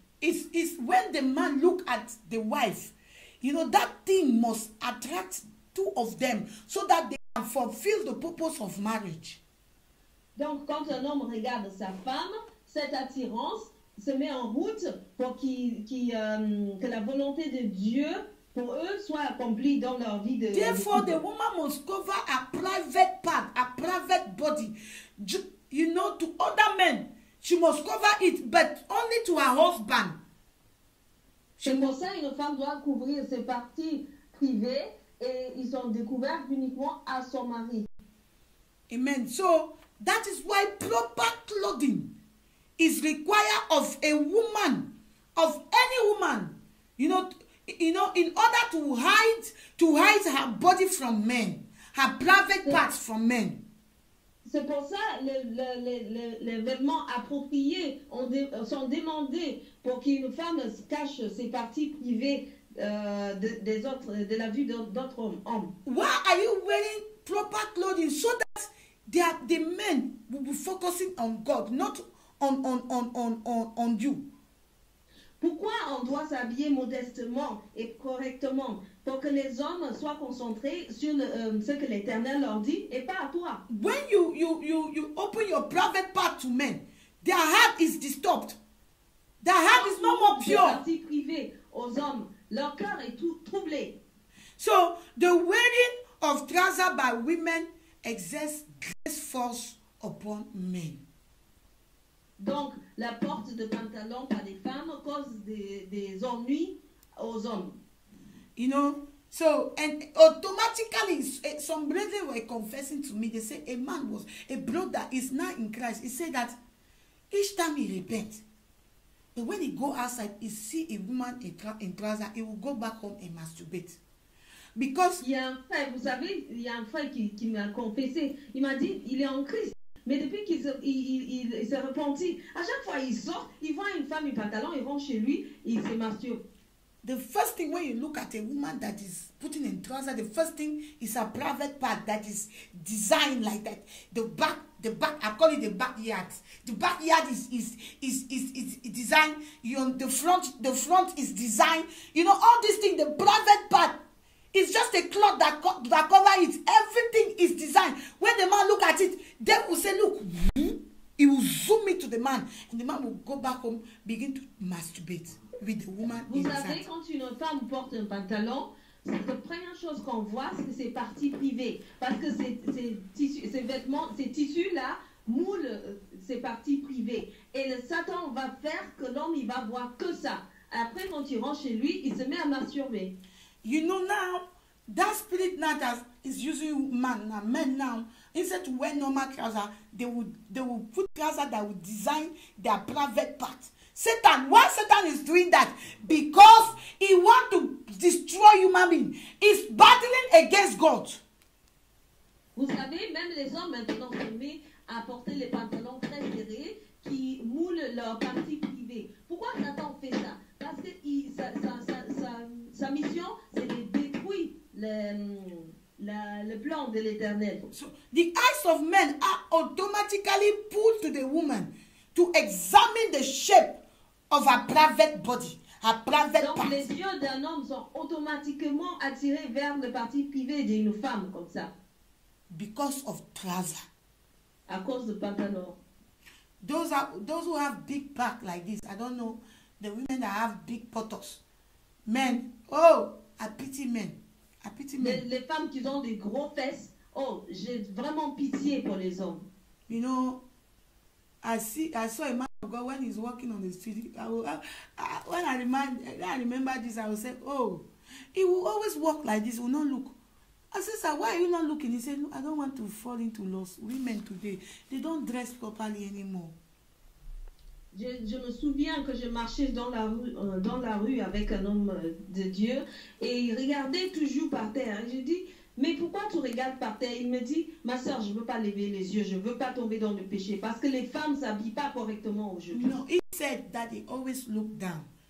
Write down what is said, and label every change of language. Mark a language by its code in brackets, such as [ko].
[en] It's when the man look at the wife, you know, that thing must attract two of them so that they can fulfill the purpose of marriage. [fr] Donc quand un homme regarde sa femme, cette attirance se met en route pour que la volonté de Dieu pour eux soit accomplie dans leur vie de. [en] Therefore, the woman must cover a private part, a private body, you know, to other men. She must cover it, but only to her husband. [fr] C'est pour ça qu'une femme doit couvrir ses parties privées et ils sont découverts uniquement à son mari. Amen. [en] So, that is why proper clothing is required of a woman, of any woman, you know, in order to hide her body from men, her private parts from men. [fr] C'est pour ça les vêtements appropriés sont demandés pour qu'une femme cache ses parties privées de la vue d'autres hommes. [en] Why are you wearing proper clothing so that the men will be focusing on God, not on you? [fr] Pourquoi on doit s'habiller modestement et correctement pour que les hommes soient concentrés sur ce que l'Éternel leur dit et pas à toi? [en] When you open your private part to men, their heart is disturbed. Their heart is no more pure. [fr] Les parties privées aux hommes, leur cœur est tout troublé. [en] So the wearing of trouser by women exerts great force upon men. [fr] Donc, la porte de pantalon par les femmes cause des ennuis aux hommes. [en] You know, so, and automatically, some brethren were confessing to me, they say a brother is not in Christ. He said that each time he repents, when he go outside, he see a woman in trouser, he will go back home and masturbate. Because, [fr] il y a un frère qui m'a confessé, il m'a dit, il est en Christ. Mais depuis qu'il s'est repenti, à chaque fois qu'il sort, il voit une femme en pantalon, il rentre chez lui, il se masturbe. [en] The first thing when you look at a woman that is putting in trouser, the first thing is a private part that is designed like that. The back, I call it the backyard. The backyard is designed. You know, the front is designed. You know, all these things, the private part. It's just a cloth that covers it. Everything is designed. When the man look at it, they will say, look, he will zoom it to the man. And the man will go back home, begin to masturbate with the woman inside. [fr] Vous savez, quand une femme porte un pantalon, c'est la première chose qu'on voit, c'est ses parties privées. Parce que ces tissus-là moulent ses parties privées. Et le Satan va faire que l'homme, il va voir que ça. Après, quand il rentre chez lui, il se met à masturber. [en] You know now, That spirit now that is using man now, men now, instead to wear normal trousers, they will put trousers that will design their private part. Satan, why Satan is doing that? Because he wants to destroy human beings. He's battling against God. [fr] Vous savez, même les hommes maintenant sont mis à porter les pantalons très serrés qui moulent leur partie privée. Pourquoi Satan fait ça? Parce que sa mission, c'est de détruire le plan de l'Éternel. [en] So, the eyes of men are automatically pulled to the woman to examine the shape of her private body. [fr] Donc les yeux d'un homme sont automatiquement attirés vers la partie privée d'une femme comme ça. [en] Because of trousers. [fr] À cause de pantalon. [en] Those who have big back like this, I don't know, the women that have big buttocks. Men, oh, I pity men. I pity men. [fr] Les femmes qui ont des gros fesses, oh, j'ai vraiment pitié pour les hommes. [en] You know, I saw a man of God when he's walking on the street. When I remember this, I will say, oh, he will always walk like this, will not look. I said, sir, why are you not looking? He said, no, I don't want to fall into loss. Women today, they don't dress properly anymore. [fr] Je me souviens que je marchais dans la rue avec un homme de Dieu et il regardait toujours par terre. Et je dis, mais pourquoi tu regardes par terre? Il me dit, ma soeur, je ne veux pas lever les yeux, je ne veux pas tomber dans le péché parce que les femmes ne s'habillent pas correctement aujourd'hui. Non, il [en] said that he always look down.